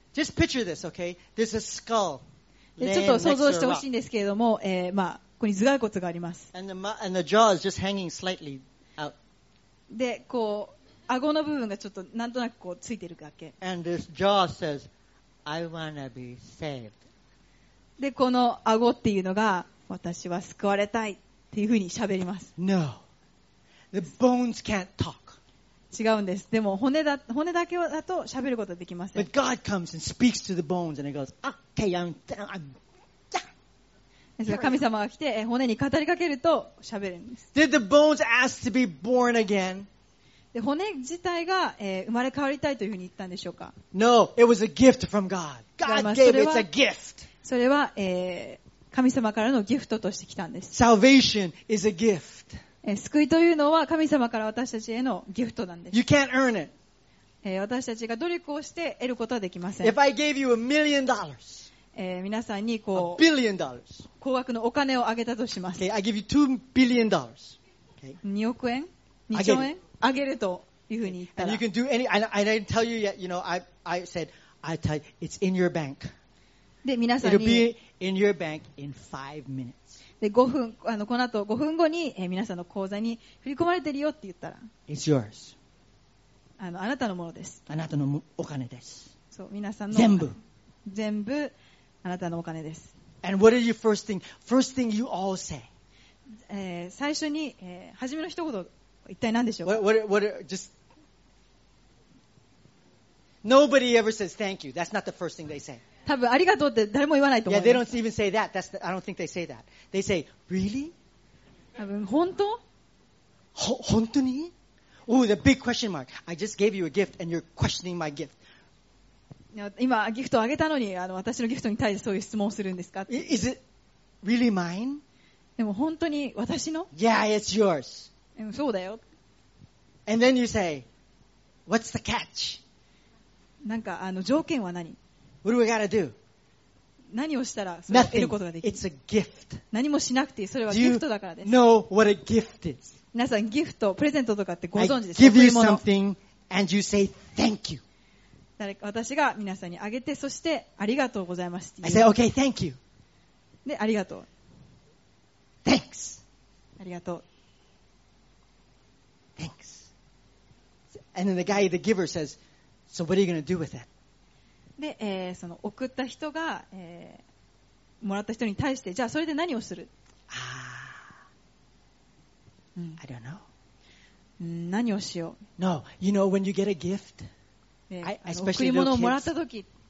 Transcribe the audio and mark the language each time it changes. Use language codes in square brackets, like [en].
[en] Just picture this, okay? There's a skull. [ja] ちょっと想像してほしいんですけれども、まあここに頭蓋骨があります。 [en] And the jaw is just hanging slightly. [ja] でこう顎の部分がちょっとなんとなくこうついてるだけ。 [en] And this jaw says, "I wanna be saved." [ja] でこの顎っていうのが私は救われたいっていうふうに喋ります。 [en] No, the bones can't talk. [ja] 違うんです。でも骨だけだと喋ることはできません。 [en] But God comes and speaks to the bones and it goes, "Okay, I'm." [ja] ですが神様が来て骨に語りかけると喋るんです。 [en] Did the bones ask to be born again? [ja] で骨自体が、生まれ変わりたいというふうに言ったんでしょうか? [en] No, it was a gift from God. God gave it a gift. [ja] それは、神様からのギフトとして来たんです。 [en] Salvation is a gift. [ja] 救いというのは神様から私たちへのギフトなんです。 [en] You can't earn it. [ja] 私たちが努力をして得ることはできません。 [en] If I gave you $1,000,000. [ja] 皆さんにこう、 [en] a billion dollars. [ja] 高額のお金をあげたとします。 [en] Okay, I give you $2 billion. Okay. [ja] 2億円 ?2 兆円 あげるというふうに言ったら。 [en] And you can do any, and I didn't tell you yet, you know, I tell you, it's in your bank. [ja] で、皆さんに。 [en] It'll be in your bank in 5 minutes. [ja] で、5分、この後5分後に、皆さんの口座に振り込まれてるよって言ったら。 [en] It's yours. [ja] あなたのものです。あなたのお金です。そう、皆さんの。全部。全部。あなたのお金です。 [en] And what did you first think? First thing you all say. [ja] 最初に、初めの一言、一体何でしょうか? [en] What, just... Nobody ever says thank you. That's not the first thing they say. [ja] 多分ありがとうって誰も言わないと思う。 [en] Yeah, they don't even say that. That's the, I don't think they say that. They say, really? [ja] 多分本当? 本当に? [en] Oh, the big question mark. I just gave you a gift and you're questioning my gift. [ja] 今ギフトをあげたのに私のギフトに対してそういう質問をするんですか? [en] Is it really mine? [ja] でも本当に私の? [en] Yeah, it's yours. [ja] でもそうだよ。 [en] And then you say, "What's the catch?" [ja] なんか条件は何? [en] What do we gotta do? [ja] 何をしたらそれを得ることができる? [en] Nothing. It's a gift. [ja] 何もしなくていい。それはギフトだからです。 [en] Do you know what a gift is? [ja] 皆さんギフト、プレゼントとかってご存知です [en] か? I give you something and you say thank you. [ja] 私が皆さんにあげて、そしてありがとうございますって [en] 言う。I say, okay, thank you. [ja] で、ありがとう。 [en] Thanks. [ja] ありがとう。 [en] Thanks. And then the guy, the giver says, so what are you going to do with that? [ja] で、その送った人が、もらった人に対して、じゃあそれで何をする? [en] I don't know. [ja] 何をしよう? [en] No, you know, when you get a gift... [ja] 贈り物をもらったとき、